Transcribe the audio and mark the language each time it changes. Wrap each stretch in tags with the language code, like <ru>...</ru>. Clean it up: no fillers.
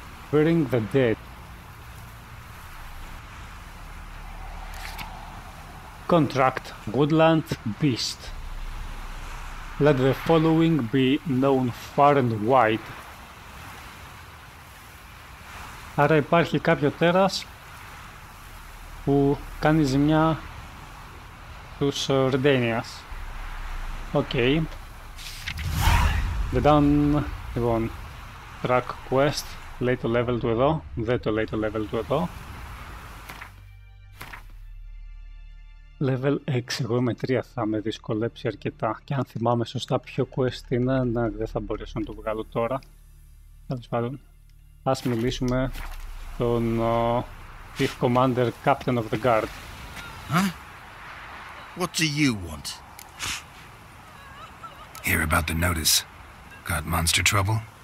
<en>Burying the dead. Contract Woodland Beast. Let the following be known far and wide.</en> <el>Άρα υπάρχει κάποιο τέρας που κάνει ζημιά τους Ρεντένιας. Okay. The down, λοιπόν, track quest, λέει το level του εδώ, δεν το λέει το level του εδώ. Level 6, εγώ με 3 θα με δυσκολέψει αρκετά. Και αν θυμάμαι σωστά ποιο quest είναι, ναι, δεν θα μπορέσω να το βγάλω τώρα. Τέλος πάντων, ας μιλήσουμε τον Chief Commander, Captain of the Guard.</el> <en>Huh? What do you want? Hear about the notice. Got monster trouble?</en>